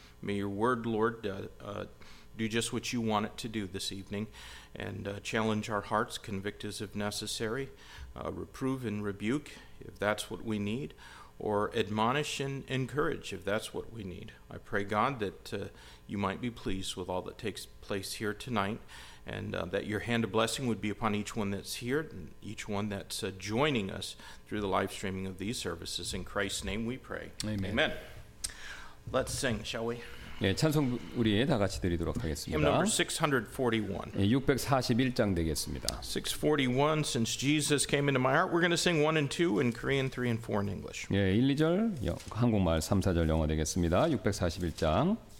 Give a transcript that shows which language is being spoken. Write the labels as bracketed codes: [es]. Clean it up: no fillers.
[en] May your word, Lord, do just what you want it to do this evening, and challenge our hearts, convict us if necessary, reprove and rebuke if that's what we need, or admonish and encourage if that's what we need. I pray, God, that you might be pleased with all that takes place here tonight, and that your hand of blessing would be upon each one that's here and each one that's joining us through the live streaming of these services. In Christ's name we pray. Amen. Amen. Let's sing, shall we? [ko] 예, 찬송 우리 다 같이 드리도록 하겠습니다. [en] Hymn number 641. [ko] 예, 641장 되겠습니다. [en] 641, since Jesus came into my heart, we're going to sing 1 and 2 in Korean, 3 and 4 in English. [ko] 예, 1, 2절 한국말, 3, 4절 영어 되겠습니다. 641장.